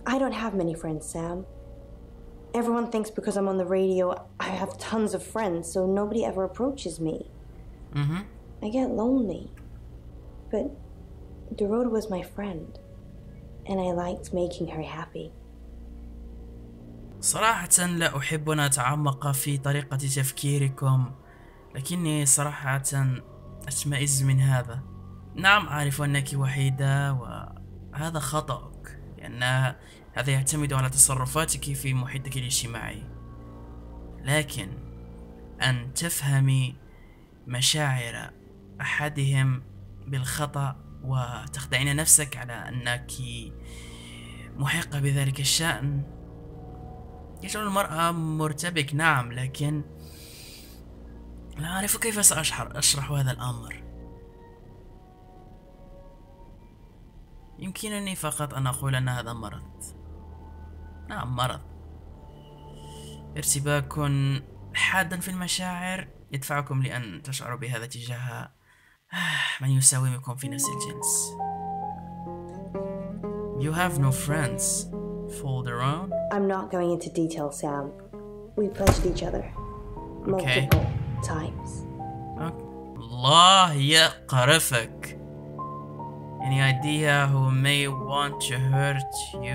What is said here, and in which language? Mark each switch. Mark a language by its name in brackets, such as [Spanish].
[English] I don't have many friends, Sam. Everyone thinks because I'm on the radio, I have tons of friends, so nobody ever approaches me. I get lonely. But Dorota was my friend, and I liked making her happy. [Arabic] صراحة لا أحب أن أتعمق في طريقة تفكيركم، لكني صراحة أشمئز من هذا. نعم أعرف أنك وحيدة وهذا خطأك لأن هذا يعتمد على تصرفاتك في محيطك الاجتماعي لكن أن تفهمي مشاعر أحدهم بالخطأ وتخدعين نفسك على أنك محقة بذلك الشأن يجعل المرأة مرتبك نعم لكن لا أعرف كيف سأشرح هذا الأمر يمكنني فقط أن أقول أن هذا مرض نعم مرض ارتباك حاد في المشاعر يدفعكم لأن تشعروا بهذا تجاه من يساومكم في نفس الجنس. [English] You have no friends. Fold around. I'm not going into detail, Sam. We pledged each other okay. multiple times. [Arabic] الله يقرفك. [English] Any idea who may want to hurt you?